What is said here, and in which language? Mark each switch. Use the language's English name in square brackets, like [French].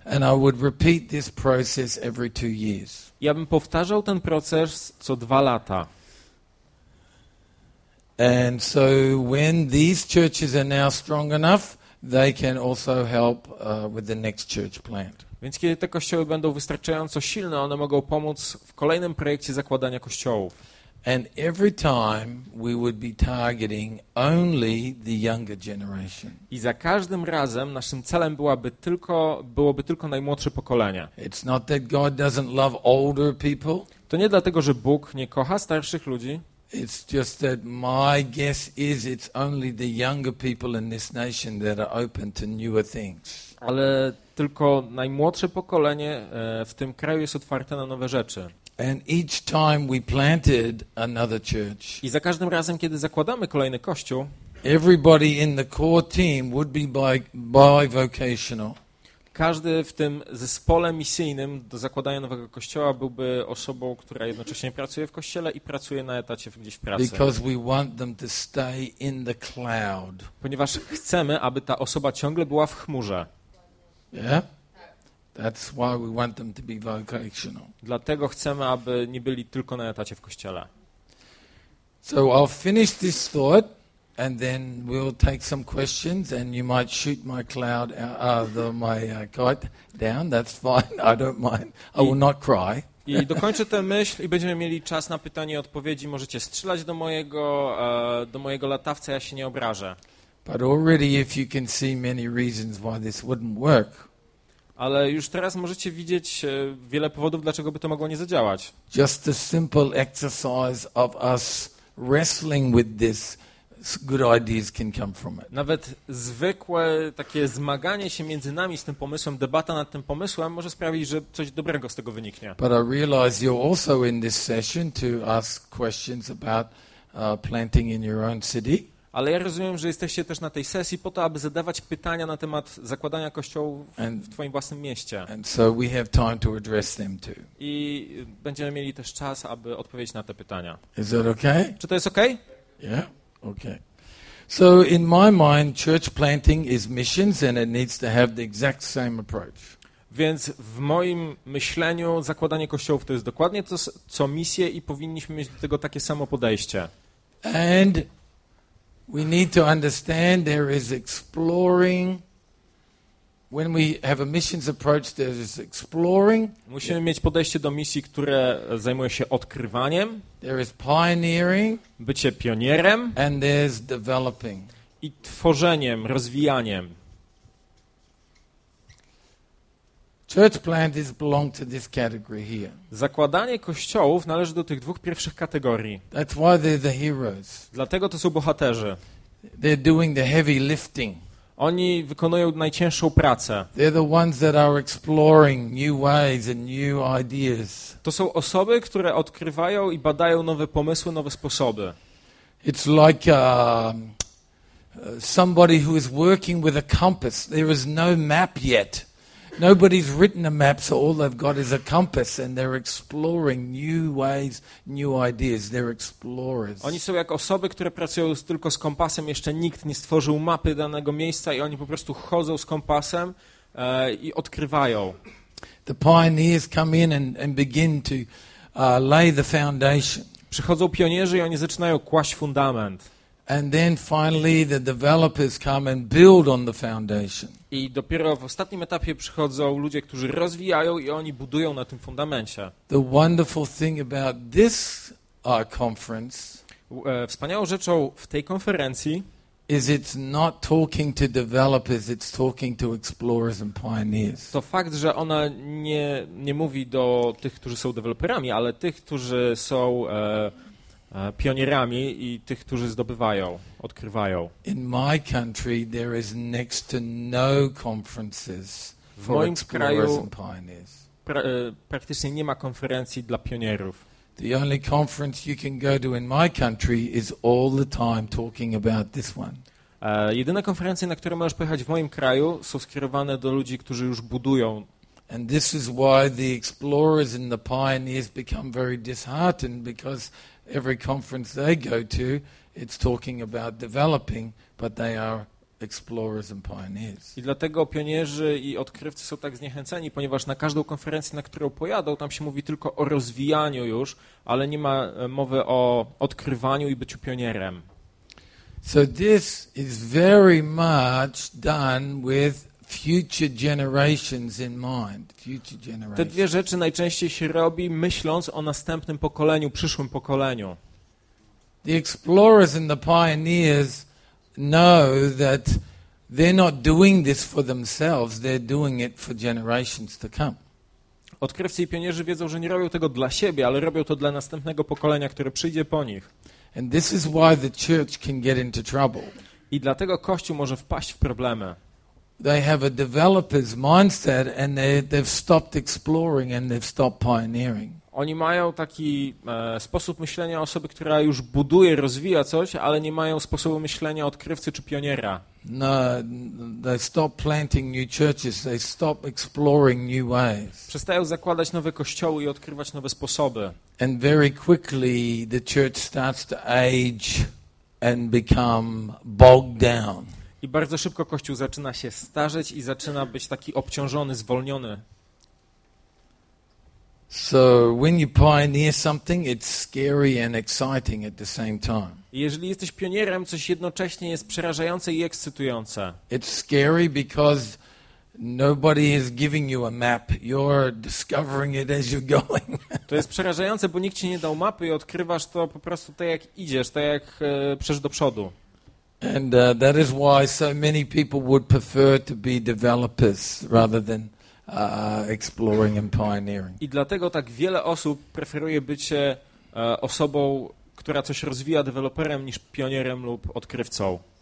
[English] And I would repeat this process every two years. [Polish] Ja bym powtarzał ten proces co dwa lata. [English] And so when these churches are now strong enough, they can also help with the next church plant. [Polish] Więc kiedy te kościoły będą wystarczająco silne, one mogą pomóc w kolejnym projekcie zakładania kościołów. [English] And every time we would be targeting only the younger generation. [Polish] I za każdym razem naszym celem byłoby tylko najmłodsze pokolenie. [English] It's not that God doesn't love older people. [Polish] To nie dlatego, że Bóg nie kocha starszych ludzi. [English] It's just that my guess is it's only the younger people in this nation that are open to newer things. [Polish] Ale tylko najmłodsze pokolenie w tym kraju jest otwarte na nowe rzeczy. [English] And each time we planted another church. [Polish] I za każdym razem, kiedy zakładamy kolejny kościół, [English] everybody in the core team would be bivocational. [Polish] Każdy w tym zespole misyjnym do zakładania nowego kościoła byłby osobą, która jednocześnie pracuje w kościele i pracuje na etacie gdzieś w pracy. [English] Because we want them to stay in the cloud. [Polish] Ponieważ chcemy, aby ta osoba ciągle była w chmurze. [English] Yeah? That's why we want them to be vocational. [Polish] Dlatego chcemy, aby nie byli tylko na etacie w kościele. [English] So I'll finish this thought and then we'll take some questions and you might shoot my cloud kite down. That's fine. I don't mind. I will not cry. [Polish] I dokończę tę myśl i będziemy mieli czas na pytanie i odpowiedzi. Możecie strzelać do mojego latawca, ja się nie obrażę. [English] But already if you can see many reasons why this wouldn't work. [Polish] Ale już teraz możecie widzieć wiele powodów, dlaczego by to mogło nie zadziałać. [English] Just the simple exercise of us wrestling with this, good ideas can come from it. [Polish] Nawet zwykłe takie zmaganie się między nami z tym pomysłem, debata nad tym pomysłem może sprawić, że coś dobrego z tego wyniknie. [English] But I realize you're also in this session to ask questions about planting in your own city. [Polish] Ale ja rozumiem, że jesteście też na tej sesji po to, aby zadawać pytania na temat zakładania kościołów w twoim własnym mieście. [English] And so we have time to address them too. [Polish] I będziemy mieli też czas, aby odpowiedzieć na te pytania. [English] Is that okay? [Polish] Czy to jest okej? [English] Okay? Yeah, okay. So in my mind, church planting is missions and it needs to have the exact same approach. [Polish] Więc w moim myśleniu zakładanie kościołów to jest dokładnie to, co misje i powinniśmy mieć do tego takie samo podejście. [English] And we need to understand there is exploring. When we have a missions approach, there is exploring. [Polish] Musimy mieć podejście do misji, które zajmuje się odkrywaniem. [English] There is pioneering. [Polish] Bycie pionierem. [English] And there is developing. [Polish] I tworzeniem, rozwijaniem. [English] Church planting belongs to this category here. [Polish] Zakładanie kościołów należy do tych dwóch pierwszych kategorii. [English] That's why they're the heroes. [Polish] Dlatego to są bohaterzy. [English] They're doing the heavy lifting. [Polish] Oni wykonują najcięższą pracę. [English] They're the ones that are exploring new ways and new ideas. [Polish] To są osoby, które odkrywają i badają nowe pomysły, nowe sposoby. [English] It's like somebody who is working with a compass. There is no map yet. Nobody's written a map, so all they've got is a compass, and they're exploring new ways, new ideas. They're explorers. [Polish] Oni są jak osoby, które pracują tylko z kompasem. Jeszcze nikt nie stworzył mapy danego miejsca i oni po prostu chodzą z kompasem i odkrywają. [English] The pioneers come in and begin to lay the foundation. [Polish] Przychodzą pionierzy i oni zaczynają kłaść fundament. [English] And then finally the developers come and build on the foundation. [Polish] I dopiero w ostatnim etapie przychodzą ludzie, którzy rozwijają i oni budują na tym fundamencie. [English] The wonderful thing about this conference. [Polish] Wspaniałą rzeczą w tej konferencji [English] is it's not talking to developers, it's talking to explorers and pioneers. [Polish] To fakt, że ona nie mówi do tych, którzy są deweloperami, ale tych, którzy są pionierami i tych, którzy zdobywają, odkrywają. [English] In my country there is next to no conferences for explorers and pioneers. [Polish] Praktycznie nie ma konferencji dla pionierów. [English] The only conference you can go to in my country is all the time talking about this one. [Polish] Jedyne konferencje, na które możesz pojechać w moim kraju, są skierowane do ludzi, którzy już budują. [English] And this is why the explorers and the pioneers become very disheartened, because every conference they go to, it's talking about developing, but they are explorers and pioneers. [Polish] I dlatego pionierzy i odkrywcy są tak zniechęceni, ponieważ na każdą konferencję, na którą pojadą, tam się mówi tylko o rozwijaniu już, ale nie ma mowy o odkrywaniu i byciu pionierem. [English] So this is very much done with future generations in mind. Future generations. [Polish] Te dwie rzeczy najczęściej się robi, myśląc o następnym pokoleniu, przyszłym pokoleniu. [English] The explorers and the pioneers know that they're not doing this for themselves, they're doing it for generations to come. [Polish] Odkrywcy i pionierzy wiedzą, że nie robią tego dla siebie, ale robią to dla następnego pokolenia, które przyjdzie po nich. [English] And this is why the church can get into trouble. [Polish] I dlatego Kościół może wpaść w problemy. [English] They have a developer's mindset and they've stopped exploring and they've stopped pioneering. [Polish] Oni mają taki sposób myślenia osoby, która już buduje, rozwija coś, ale nie mają sposobu myślenia odkrywcy czy pioniera. [English] No, they stop planting new churches, they stop exploring new ways. [Polish] Przestają zakładać nowe kościoły i odkrywać nowe sposoby. [English] And very quickly the church starts to age and become bogged down. [Polish] I bardzo szybko Kościół zaczyna się starzeć i zaczyna być taki obciążony, zwolniony. [English] So when you pioneer something, it's scary and exciting at the same time. [Polish] Jeżeli jesteś pionierem, coś jednocześnie jest przerażające i ekscytujące. [English] It's scary because nobody is giving you a map. You're discovering it as you're going. [Polish] To jest przerażające, bo nikt ci nie dał mapy i odkrywasz to po prostu tak jak idziesz, tak jak przesz do przodu. [English] And that is why so many people would prefer to be developers rather than exploring and pioneering. [Polish] I dlatego tak wiele osób preferuje być osobą, która coś rozwija, deweloperem, niż pionierem lub odkrywcą.